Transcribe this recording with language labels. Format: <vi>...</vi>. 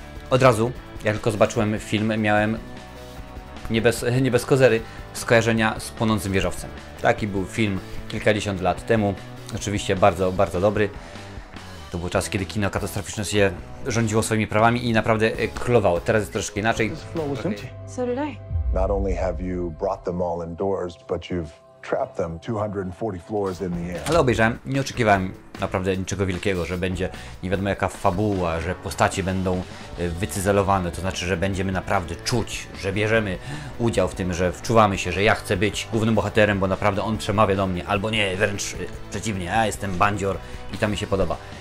<pl>Od razu, jak tylko zobaczyłem film, miałem nie bez kozery skojarzenia z Płonącym Wieżowcem. Taki był film kilkadziesiąt lat temu, oczywiście bardzo, bardzo dobry. To był czas, kiedy kino katastroficzne się rządziło swoimi prawami i naprawdę klowało. Teraz jest troszkę inaczej.</pl> <en>Not only have you brought them all indoors, but you've trapped them 240 floors in the air.</en> <pl>Ale obejrzałem, nie oczekiwałem naprawdę niczego wielkiego, że będzie nie wiadomo jaka fabuła, że postacie będą wycyzelowane, to znaczy, że będziemy naprawdę czuć, że bierzemy udział w tym, że wczuwamy się, że ja chcę być głównym bohaterem, bo naprawdę on przemawia do mnie, albo nie, wręcz przeciwnie, ja jestem bandzior i to mi się podoba.</pl>